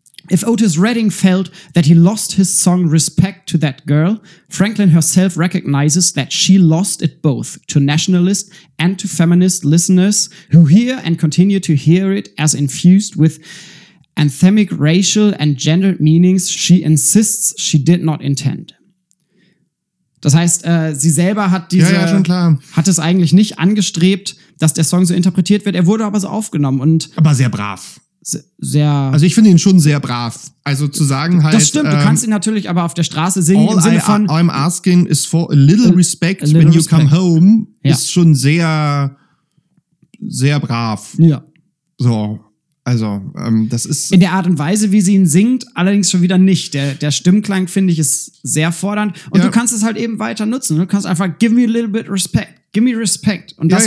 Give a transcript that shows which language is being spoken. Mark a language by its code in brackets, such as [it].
[en] If Otis Redding felt that he lost his song Respect to that girl, Franklin herself recognizes that she lost it both to nationalist and to feminist listeners who hear and continue to hear it as infused with anthemic racial and gendered meanings she insists she did not intend. [de] Das heißt, sie selber hat diese, ja, schon klar, hat es eigentlich nicht angestrebt, dass der Song so interpretiert wird. Er wurde aber so aufgenommen und aber sehr brav. Sehr, also ich finde ihn schon sehr brav. Also zu sagen halt. Das stimmt, du kannst ihn natürlich aber auf der Straße singen im Sinne von. [en] All I'm asking is for a little respect a little when respect. You come home. [de] Ja. Ist schon sehr, sehr brav. Ja. So. Also, das ist. In der Art und Weise, wie sie ihn singt, allerdings schon wieder nicht. Der Stimmklang, finde ich, ist sehr fordernd. Und, ja, du kannst es halt eben weiter nutzen. Du kannst einfach give me a little bit respect. Give me respect. Und das,